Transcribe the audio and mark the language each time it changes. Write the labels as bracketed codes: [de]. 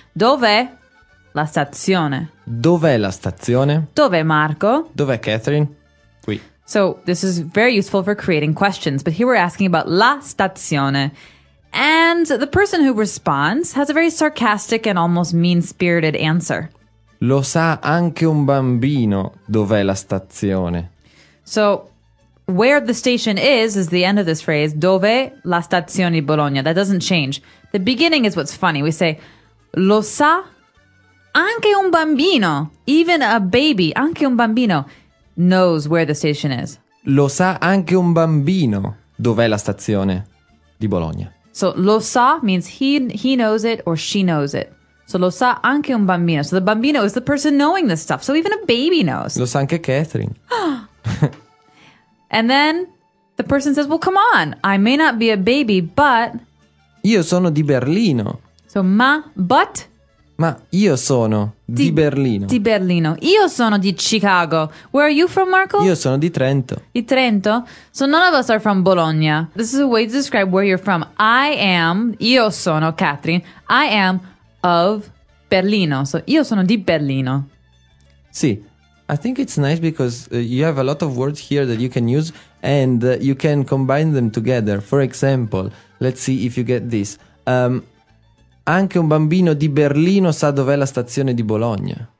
[it] Dove la stazione? Dove la stazione? Dove Marco? Dove Catherine? Qui. [en] So this is very useful for creating questions. But here we're asking about la stazione. And the person who responds has a very sarcastic and almost mean-spirited answer. [it] Lo sa anche un bambino dov'è la stazione. [en] So, where the station is the end of this phrase. [it] Dove la stazione di Bologna. [en] That doesn't change. The beginning is what's funny. We say, [it] lo sa anche un bambino. [en] Even a baby, [it] anche un bambino, [en] knows where the station is. [it] Lo sa anche un bambino dov'è la stazione di Bologna. [en] So, [it] lo sa [en] means he knows it or she knows it. [it] So lo sa anche un bambino. [en] So the bambino is the person knowing this stuff. So even a baby knows. [it] Lo sa anche Catherine. [en] And then the person says, well, come on. I may not be a baby, but... [it] Io sono di Berlino. [en] So ma, but... [it] Ma io sono di Berlino. Di Berlino. Io sono di Chicago. [en] Where are you from, Marco? [it] Io sono di Trento. Di Trento? [en] So none of us are from Bologna. This is a way to describe where you're from. I am... [it] Io sono, [en] Catherine. I am... [it] of Berlino. So, io sono di Berlino. [en] Sì, I think it's nice because you have a lot of words here that you can use and you can combine them together. For example, let's see if you get this. [it] Anche un bambino di Berlino sa dov'è la stazione di Bologna.